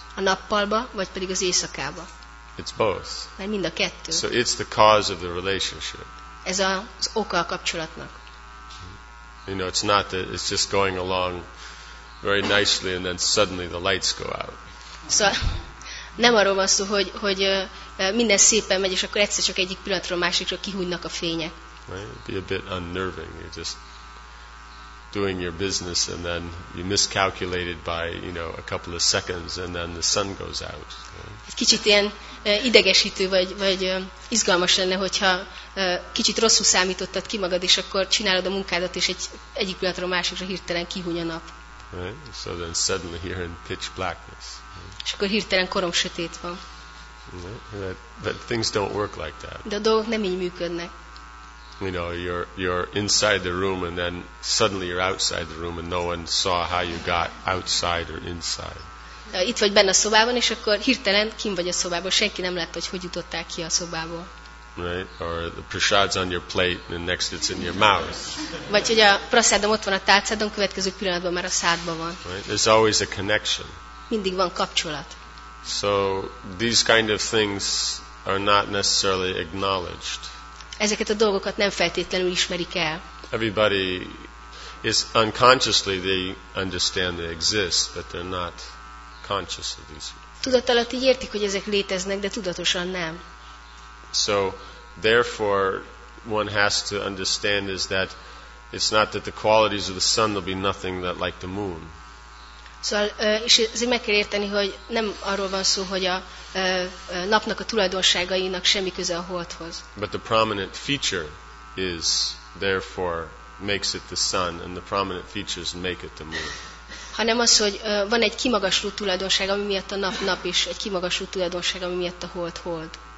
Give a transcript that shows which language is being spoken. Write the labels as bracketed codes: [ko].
[hu] A nappalba, vagy pedig az éjszakába? [en] It's both. [hu] Mert mind a kettő. [en] So it's the cause of the relationship. [hu] Ez az oka a kapcsolatnak. [en] You know, it's not that it's just going along very nicely and then suddenly the lights go out. [hu] So, nem arról van szó, hogy minden szépen megy, és akkor egyszer csak egyik pillanatról másikra kihúnynak a fények. [en] Right? It'd be a bit unnerving. You're just doing your business and then you miscalculated by, you know, a couple of seconds and then the sun goes out. Right? [hu] Egy kicsit ilyen idegesítő vagy izgalmas lenne, hogyha kicsit rosszul számítottad ki magad, és akkor csinálod a munkádat, és egyik pillanatról másikra hirtelen kihúny a nap. [en] Right? So then suddenly you're in pitch blackness. [hu] És akkor hirtelen korom sötét van. [en] But things don't work like that. [hu] De a dolgok nem így működnek. [en] You know, you're inside the room and then suddenly you're outside the room and no one saw how you got outside or inside. [hu] Itt vagy benne a szobában, és akkor hirtelen kim vagy a szobában. Senki nem látta, hogy hogy jutottál ki a szobából. [en] Right? Or the prasad's on your plate and next it's in your mouth. [hu] Vagy hogy a prasadom ott van a tálcádon, következő pillanatban már a szádban van. [en] Right? There's always a connection. [hu] Mindig van kapcsolat. [en] So these kind of things are not necessarily acknowledged. [hu] Ezeket a dolgokat nem feltétlenül ismerik el. [en] Everybody is unconsciously they understand they exist, but they're not conscious of these. [hu] Tudatalatt így értik, hogy ezek léteznek, de tudatosan nem. [en] So therefore one has to understand is that it's not that the qualities of the sun will be nothing that like the moon. [hu] Szóval, és ezért meg kell érteni, hogy nem arról van szó, hogy a napnak a tulajdonságainak semmi köze a holdhoz. [en] But the prominent feature is therefore makes it the sun, and the prominent features make it the moon. [hu] Hanem az, hogy van egy kimagasló tulajdonság, ami miatt a nap nap is, egy kimagasló tulajdonság, ami miatt a hold hold.